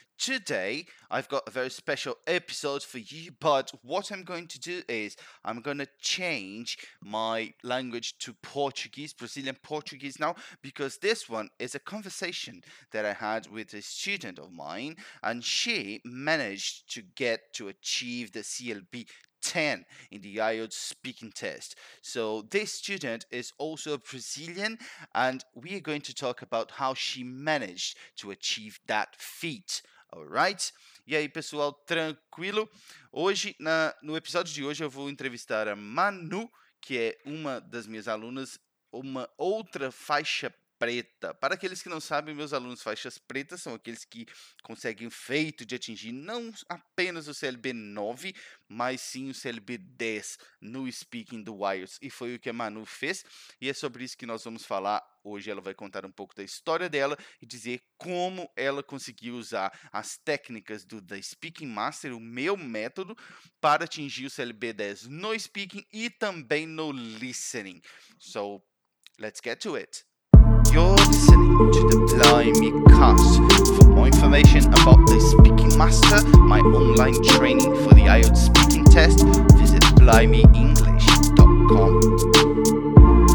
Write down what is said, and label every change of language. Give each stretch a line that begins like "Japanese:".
English: Today, I've got a very special episode for you, but what I'm going to do is I'm going to change my language to Portuguese, Brazilian Portuguese now, because this one is a conversation that I had with a student of mine, and she managed to get to achieve the CLB 10 in the IELTS speaking test. So this student is also a Brazilian, and we are going to talk about how she managed to achieve that feat. Alright?
Portuguese: E aí, pessoal, tranquilo? Hoje, no episódio de hoje, eu vou entrevistar a Manu, que é uma das minhas alunas, uma outra faixa preta. Para aqueles que não sabem, meus alunos faixas pretas são aqueles que conseguem o feito de atingir não apenas o CLB 9, mas sim o CLB 10 no Speaking the Wilds. E foi o que a Manu fez, e é sobre isso que nós vamos falar hoje. Ela vai contar um pouco da história dela e dizer como ela conseguiu usar as técnicas do The Speaking Master, o meu método, para atingir o CLB 10 no Speaking e também no Listening.
English: So, let's get to it. You're listening to the Blimey Cast. For more information about the Speaking Master, my online training for the IELTS speaking test, visit blimeyenglish.com.